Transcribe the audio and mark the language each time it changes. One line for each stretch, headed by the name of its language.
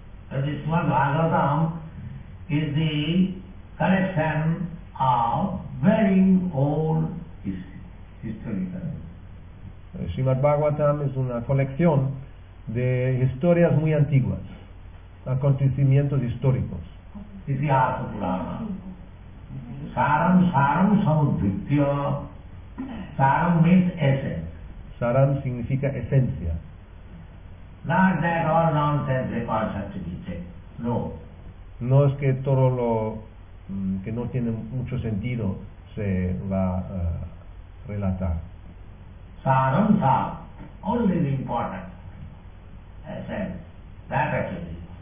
English: The Srimad Bhagavatam is the collection of very old historical.
Spanish: Srimad Bhagavatam es una colección de historias muy antiguas, acontecimientos históricos.
Sanskrit: Itihasa Purana. Saram, saram samudhritya.
English: Saram means essence.
Spanish: Saram significa esencia.
English: Not that all nonsense records have to be checked.
Spanish: No. No es que todo lo que no tiene mucho sentido se va a relatar.
English: Saram sa, only the important essence, that actually.